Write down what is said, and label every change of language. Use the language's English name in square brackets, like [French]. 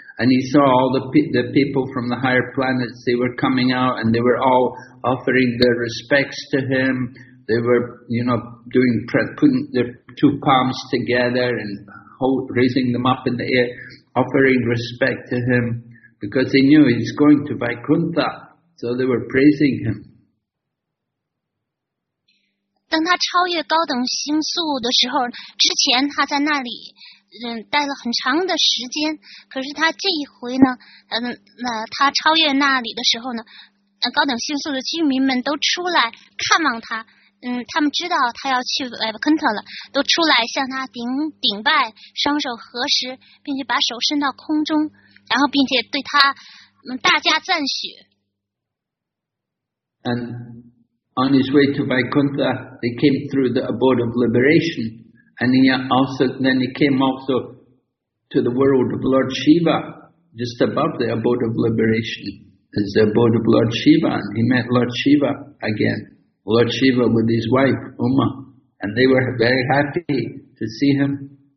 [English] And he saw all the people from the higher planets, they were coming out and they were all offering their respects to him. They were, you know, doing putting their two palms together and raising them up in the air, offering respect to him because they knew he's going to Vaikuntha. So they were praising him. [Chinese] 当他超越高等星宿的时候，之前他在那里待了很长的时间，可是他这一回呢，他超越那里的时候呢，高等星宿的居民们都出来看望他，他们知道他要去维克特了，都出来向他顶拜，双手合十，并且把手伸到空中，然后并且对他大加赞许。 [English] And on his way to Vaikuntha, they came through the abode of liberation, and he came also to the world of Lord Shiva, just above the abode of liberation, is the abode of Lord Shiva, and he met Lord Shiva again, Lord Shiva with his wife, Uma, and they were very happy to see him.